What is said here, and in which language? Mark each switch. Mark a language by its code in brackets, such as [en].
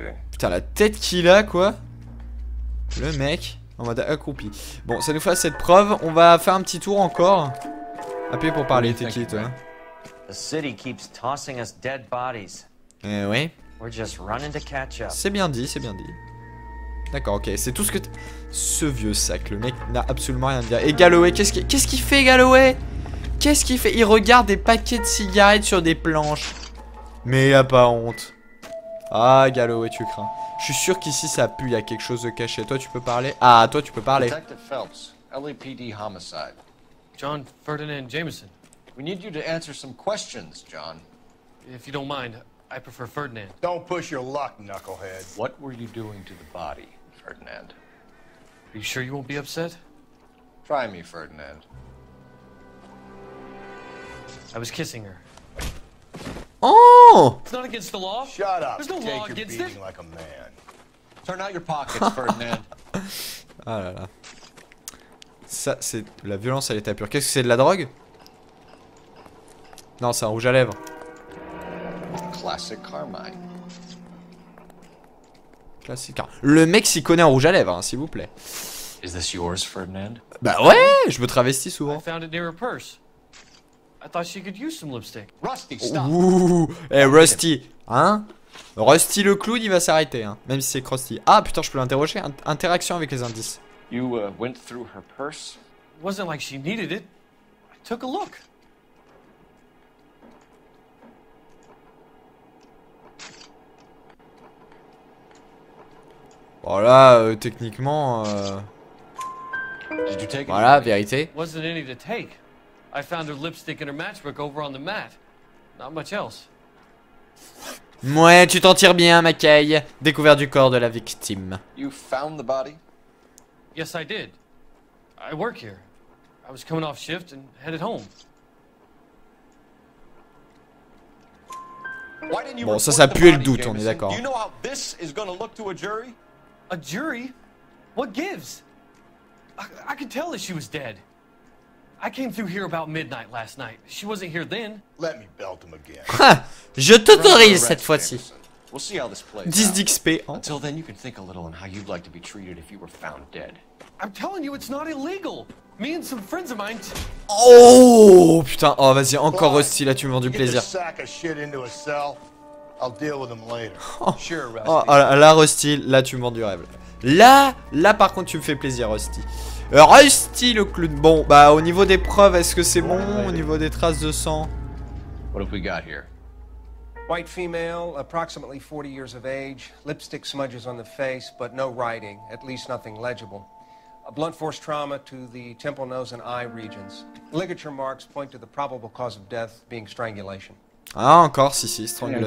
[fr] Putain, la tête qu'il a, quoi. Le mec, en mode accroupi. Bon, ça nous fasse cette preuve. On va faire un petit tour encore. Appuyez pour parler, t'es qui, toi. [en] The city keeps tossing us dead bodies. [fr] Oui. [en] We're just running to catch up. [fr] C'est bien dit, c'est bien dit. D'accord, ok, c'est tout ce que... Ce vieux sac, le mec n'a absolument rien à dire. Et Galloway, qu'est-ce qu'il fait, Galloway? Qu'est-ce qu'il fait? Il regarde des paquets de cigarettes sur des planches. Mais il a pas honte. Ah, Galloway, tu crains. Je suis sûr qu'ici, ça pue, il y a quelque chose de caché. Toi, tu peux parler? Ah, toi, tu peux parler. [en] Detective Phelps, LAPD homicide. John Ferdinand Jameson. We need you to answer some questions, John. If you don't mind... I prefer Ferdinand. Don't push your luck, knucklehead. What were you doing to the body, Ferdinand? Are you sure you won't be upset? Try me, Ferdinand. I was kissing her. Oh! It's not against the law. Shut up. There's no Take law against beating it. Like a man. Turn out your pockets, Ferdinand. [fr] Ah là là. Ça, c'est la violence à l'état pur. Qu'est-ce que c'est, de la drogue? Non, c'est un rouge à lèvres. [en] Classic Carmine. Classic. [fr] Le mec s'y connaît en rouge à lèvres, hein, s'il vous plaît. [en] Is this yours, Ferdinand? [fr] Bah ouais, je me travestis souvent. [en] I found it near her purse. I thought she could use some lipstick. Rusty, stop. [fr] Ouh, hey, Rusty, hein? Rusty le clown, il va s'arrêter, hein. Même si c'est Krusty. Ah putain, je peux l'interroger. Interaction avec les indices. [en] You went through her purse. It wasn't like she needed it. I took a look. [fr] Voilà, techniquement, voilà, vérité. [en] Wasn't any to take. I found her lipstick and her matchbook over on the mat. Not much else. [fr] Ouais, tu t'en tires bien, McKay. Découvert du corps de la victime. [en] You found the body? Yes, I did. I work here. I was coming off shift and headed home. Why didn't you [fr] bon, ça pue le doute, on est d'accord. [en] Do you know how this is gonna look to a jury? A jury? What gives? I could tell that she was dead. I came through here about midnight last night. She wasn't here then. Let me belt him again. [fr] Je t'autorise cette fois-ci. [en] We'll see how this plays out. [fr] 10 d'XP. [en] Until then, you can think a little on how you'd like to be treated if you were found dead. I'm telling you, it's not illegal. Me and some friends of mine. [fr] Oh putain. Oh vas-y, encore Rusty, là tu m'as rendu plaisir. [en] Get a sack of shit into a cell. I'll deal with them later. [fr] Oh. Sure, Rusty. Oh, oh, là, Rusty, là, tu me vends du rêve. Là, par contre, tu me fais plaisir, Rusty. Rusty, le clown. Bon, bah, au niveau des preuves, est-ce que c'est bon au niveau des traces de sang? [en] What have we got here? White female, approximately 40 years of age, lipstick smudges on the face, but no writing, at least nothing legible. A blunt force trauma to the temple, nose, and eye regions. Ligature marks point to the probable cause of death being strangulation. [fr] Ah, encore, si, si, strangulation.